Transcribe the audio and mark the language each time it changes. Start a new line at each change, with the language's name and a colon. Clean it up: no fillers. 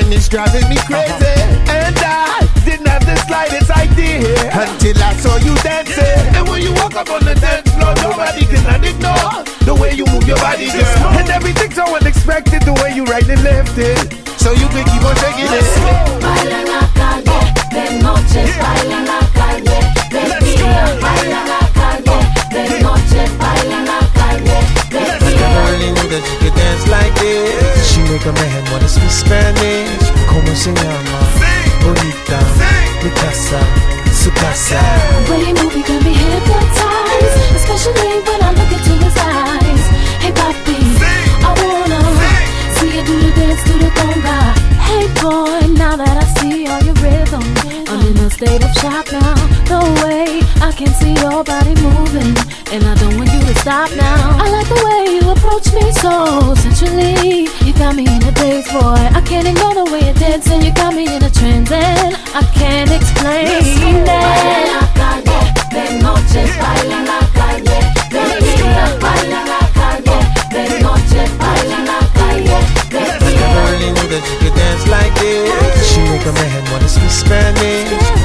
English: Driving me crazy, and I didn't have the slightest idea until I saw you dancing. And when you walk up on the dance floor, nobody can ignore the way you move your body, girl. And everything's so unexpected, the way you right and left it, so you can keep on taking it. Let's go.
Spanish: Baila la calle de noche, baila la calle de día.
English: Let's go.
Spanish: Baila la calle de noche, baila la calle de día.
English: I never really knew that you could dance like this. She make a man wanna speak Spanish.
Spanish: Como se llama? Bonita. Mi casa. Su casa.
English: When you move, you got me hypnotized. Especially when I look into his eyes. Hey, papi, I wanna see you do the dance, do the conga. Hey, boy, now that I see all your rhythm, I'm in a state of shock now. The way I can see your body moving, and I don't want you to stop now. I like the way you approach me so sensually. You got me in a daze, boy. I can't ignore the way you're dancing. You got me in a trance and I can't explain it.
Spanish: Baila la calle de noche, baila la calle de día. Baila la calle de noche, baila la calle de día.
English: I never really knew that you could dance like this. She make a man wanna speak Spanish.